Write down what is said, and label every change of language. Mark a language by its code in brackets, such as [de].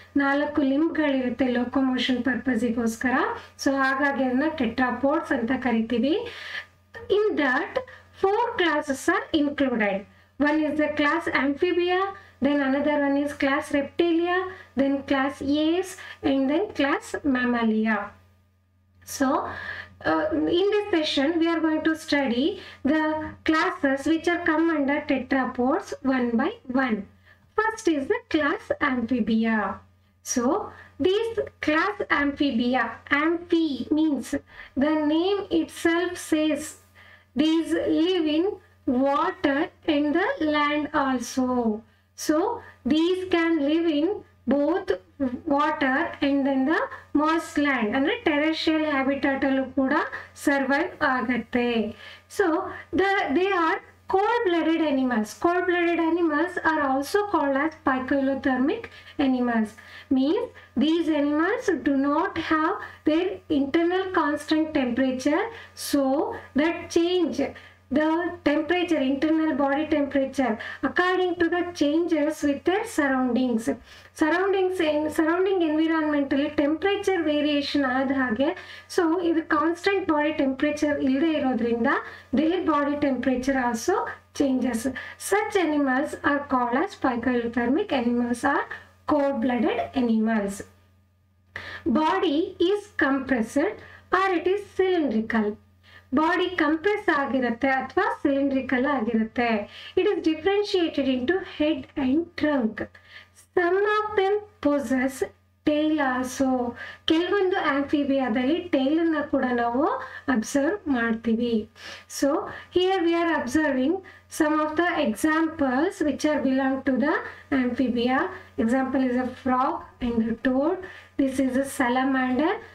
[kn] ನಾಲ್ಕು ಲಿಂಬ್ಗಳಿರುತ್ತೆ locomotion ಪರ್ಪಸ್ಗೋಸ್ಕರ. So ಹಾಗಾಗಿ ಅದನ್ನ ಟೆಟ್ರಾಪೋಡ್ಸ್ ಅಂತ ಕರಿತೀವಿ. [en] In that four classes are included. One is the class Amphibia, then another one is class Reptilia, then class Aves, and then class Mammalia. So in this session, we are going to study the classes which are come under tetrapods one by one. First is the class Amphibia. So, this class Amphibia, Amphi means the name itself says, these live in water and the land also. So, these can live in both water and then the moss land and the terrestrial habitat [kn] alu kuda survive agutte. [en] So they are cold-blooded animals. Cold-blooded animals are also called as pycholothermic animals, means these animals do not have their internal constant temperature. So that change the temperature, internal body temperature, according to the changes with their surroundings. [kn] Surrounding environment ಅಲ್ಲಿ temperature variation ಆದ ಹಾಗೆ, so ಇದು constant body temperature ಇಲ್ಲದೆ ಇರೋದ್ರಿಂದ [en] Their body temperature also changes. Such animals are called as poikilothermic animals are cold blooded animals. Body is compressed or it is cylindrical. [kn] Body compress ಆಗಿರುತ್ತೆ ಅಥವಾ cylindrical ಆಗಿರುತ್ತೆ. [en] It is differentiated into head and trunk. Some of them possess tail also. [kn] ಕೆಲವೊಂದು ಆಂಫಿಬಿಯಾದಲ್ಲಿ tail ಅನ್ನ ಕೂಡ ನಾವು observe ಮಾಡ್ತೀವಿ. [en] So here we are observing some of the examples which are belong to the Amphibia. Example is a frog and toad. This is a salamander.